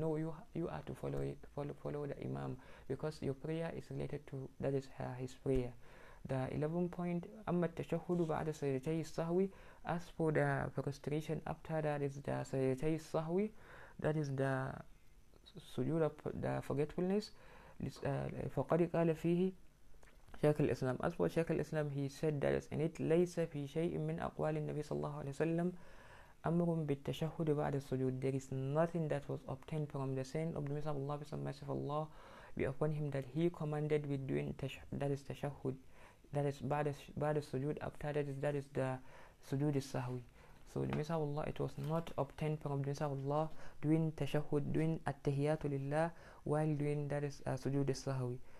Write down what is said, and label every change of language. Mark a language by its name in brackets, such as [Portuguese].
[English] No, you are to follow it, follow the imam, because your prayer is related to, that is his prayer. the 11 point [Arabic] amma tashahhudu ba'da sajdatay sahwi. [English] As for the prostration after that is the sajdatay sahwi, that is the sujood, the forgetfulness. [Arabic] فقد قال فيه شيخ الإسلام. [English] As for [Arabic] شيخ الإسلام, [English] he said that in it [Arabic] ليس في شيء من أقوال النبي صلى الله عليه وسلم أمر بالتشهد بعد السجود. [English] There is nothing that was obtained from the saying of the Messenger of Allah, peace and mercy of Allah be upon him, that he commanded with doing tashahud, that is [Arabic] بعد السجود. [English] After that is the سجود السهوي. So the Messenger of Allah, it was not obtained from the Messenger of Allah doing tashahud, doing [Arabic] التحيات لله, [English] while doing that is sujood al-sahwi.